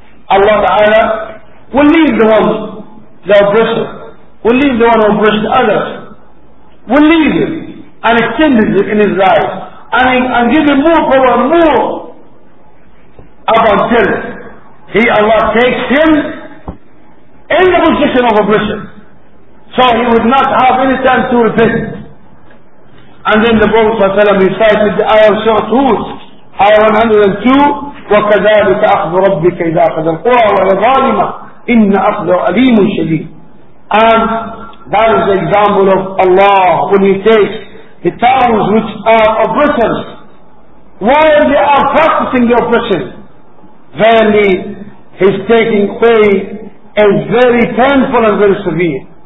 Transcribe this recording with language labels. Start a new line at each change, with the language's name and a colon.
English: Allah Ta'ala will leave the one the oppressor, will leave the one who oppressed others, will leave him and extend it in his life, and give him more power, more up until he, Allah, takes him in the position of oppression, so he would not have any time to repent. And then the Prophet ﷺ recited the ayah of Surah Hud, ayah 102,
Arabic: وَكَذَلِكَ أَخْذُ رَبِّكَ إِذَا أَخَذَ الْقُرَى وَالْظَالِمَ إِنَّ أَخْذَهُ أَلِيمٌ شَدِيدٌ.
English: And that is the example of Allah when He takes the towns which are oppressors while they are practicing the oppression. Verily, His taking away is very painful and very severe.